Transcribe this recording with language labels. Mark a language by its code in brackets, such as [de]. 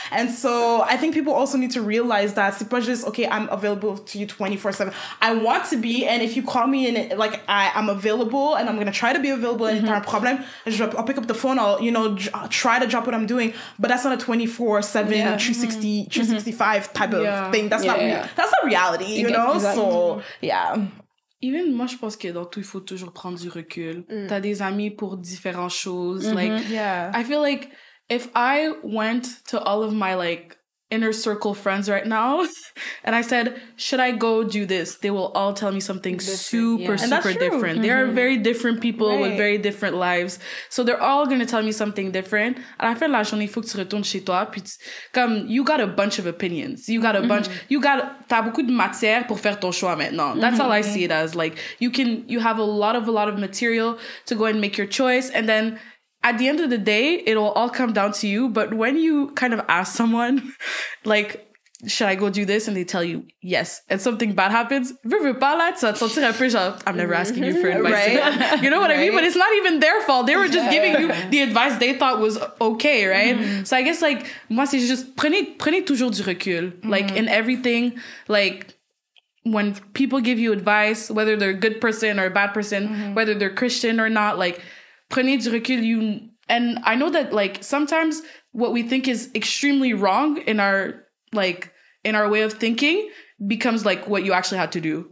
[en] And so I think people also need to realize that [fr] c'est pas juste, [en] okay, I'm available to you 24/7. I want to be, and if you call me and like I'm available and I'm gonna try to be available and [fr] t'as un problème, [en] I'll pick up the phone, I'll, you know, try to drop what I'm doing, but that's not a 24/7 365 type of thing. That's that's not reality, you know? Exactly. So [fr] Even moi, je pense que dans tout, il faut toujours prendre du recul. T'as des amis pour différentes choses. [en] I feel like if I went to all of my, like, inner circle friends right now, and I said, should I go do this? They will all tell me something super different. They are very different people with very different lives. So they're all going to tell me something different. [fr] À la fin de la journée, il faut que tu retournes chez toi. Puis comme, [en] you got a bunch of opinions. You got a bunch. You got, [fr] t'as beaucoup de matière pour faire ton choix maintenant. [en] That's all I see it as. Like, you have a lot of material to go and make your choice. And then, at the end of the day, it'll all come down to you. But when you kind of ask someone, like, should I go do this? And they tell you yes. And something bad happens. I'm never asking you for advice. Right? You know what I mean? But it's not even their fault. They were just giving you the advice they thought was okay, right? Mm-hmm. So I guess, like, [fr] moi, c'est juste, prenez toujours du recul. [en] Like, in everything, like, when people give you advice, whether they're a good person or a bad person, whether they're Christian or not, like, [fr] prenez du recul, [en] and I know that, like, sometimes what we think is extremely wrong in our, like, in our way of thinking becomes, like, what you actually had to do.